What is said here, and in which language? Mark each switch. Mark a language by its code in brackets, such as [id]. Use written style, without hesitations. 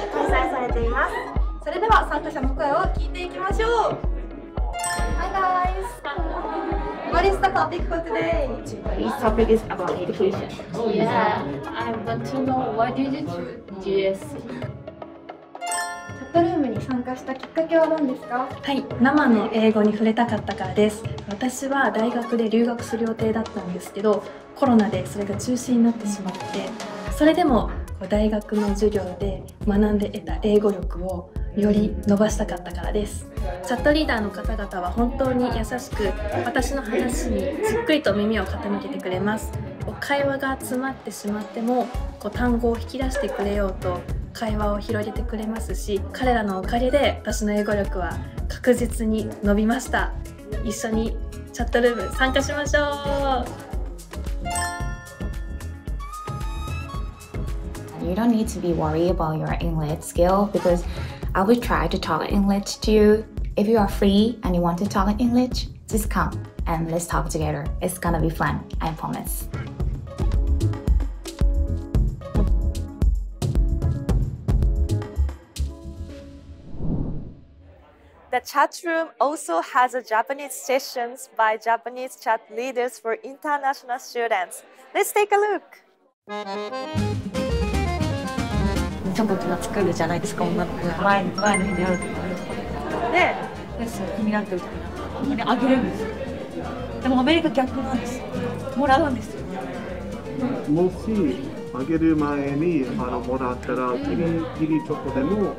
[ja] ここは相模原キャンパスでも盛んに開催されています。それでは参加者の声を聞いていきましょう。 [en] Hi guys! What is the topic for today? This topic is about education. Oh yeah, I want to know why did you choose GS? [ja] チャットルームに参加したきっかけは何ですか？はい、生の英語に触れたかったからです。私は大学で留学する予定だったんですけど、コロナでそれが中止になってしまって、それでも大学の授業で学んで得た英語力をより伸ばしたかったからです。チャットリーダーの方々は本当に優しく、私の話にじっくりと耳を傾けてくれます。会話が詰まってしまっても、単語を引き出してくれようと会話を広げてくれますし、彼らのおかげで私の英語力は確実に伸びました。一緒にチャットルーム参加しましょう。 [en] You don't need to be worried about your English skill because I will try to talk English to you. If you are free and you want to talk in English, just come and let's talk together. It's gonna be fun, I promise. The chat room also has a Japanese sessions by Japanese chat leaders for international students. Let's take a look. [ja] ちょっと作るじゃないですか、女の子前の日に会うで、気になってるあげるんですよ。でもアメリカ逆なんです。もらうんですよ。もしあげる前にあのもらったら、ギリギリチョコでも、